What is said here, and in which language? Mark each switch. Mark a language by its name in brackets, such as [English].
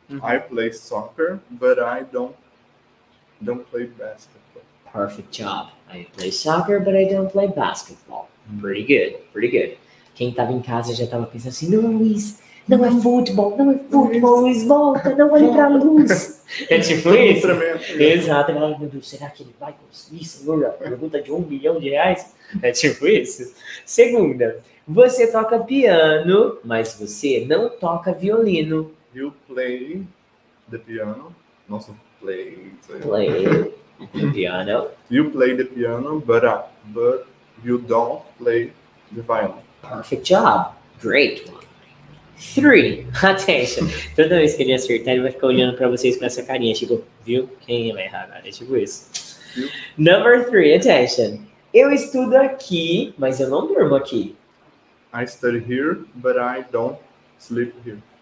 [English] I play soccer, but I don't play basketball. Perfect job. I play soccer, but I don't play basketball. Pretty good. [Portuguese] Quem tava em casa já tava pensando assim, não, Luiz... Não é futebol, Luiz, volta, não olhe para a luz. É tipo isso? Exato. Ai, meu Deus, será que ele vai conseguir, senhor? Pergunta de R$1 milhão? É tipo isso? Segunda, você toca piano, mas você não toca violino. [English] You play the piano. Nossa, play. Play the piano. You play the piano, but you don't play the violin. Perfect job. Great one. 3, attention. [Portuguese] Toda vez que ele acertar, ele vai ficar olhando pra vocês com essa carinha, tipo, viu? Quem vai errar agora? É tipo isso. [English] Number 3, attention. [Portuguese] Eu estudo aqui, mas eu não durmo aqui. [English] I study here, but I don't sleep here.